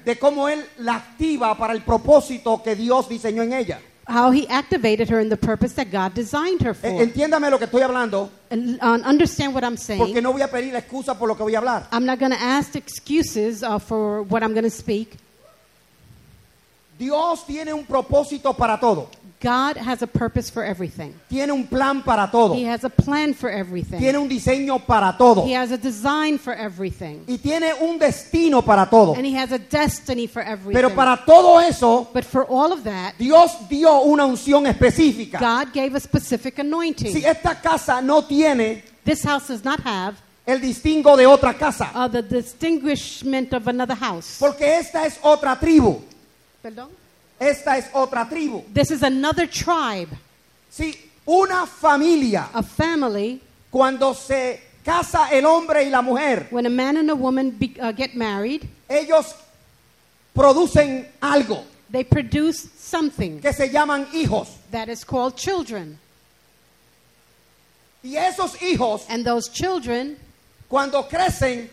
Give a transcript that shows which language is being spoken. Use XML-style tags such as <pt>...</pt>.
<es>De cómo él la activa para el propósito que Dios diseñó en ella.</es> <en>How he activated her in the purpose that God designed her for.</en> <es>Entiéndame lo que estoy hablando.</es> <en>And understand what I'm saying.</en> <es>Porque no voy a pedir excusa por lo que voy a hablar.</es> <en>I'm not going to ask excuses for what I'm going to speak.</en> <es>Dios tiene un propósito para todo.</es> <en>God has a purpose for everything.</en> <es>Tiene un plan para todo.</es> <en>He has a plan for everything.</en> <es>Tiene un diseño para todo.</es> <en>He has a design for everything.</en> <es>Y tiene un destino para todo.</es> <en>And he has a destiny for everything.</en> <es>Pero para todo eso,</es> <en>but for all of that,</en> <es>Dios dio una unción específica.</es> <en>God gave a specific anointing.</en> <es>Si esta casa no tiene,</es> <en>this house does not have</en> <es>el distingo de otra casa.</es> <en>The distinguishment of another house.</en> <es>Porque esta es otra tribu. Perdón. Esta es otra tribu.</es> <en>This is another tribe.</en> <es>Sí, una familia.</es> <en>A family.</en> <es>Cuando se casa el hombre y la mujer.</es> <en>When a man and a woman get married.</en> <es>Ellos producen algo.</es> <en>They produce something.</en> <es>Que se llaman hijos.</es> <en>That is called children.</en> <es>Y esos hijos.</es> <en>And those children.</en> <es>Cuando crecen,</es>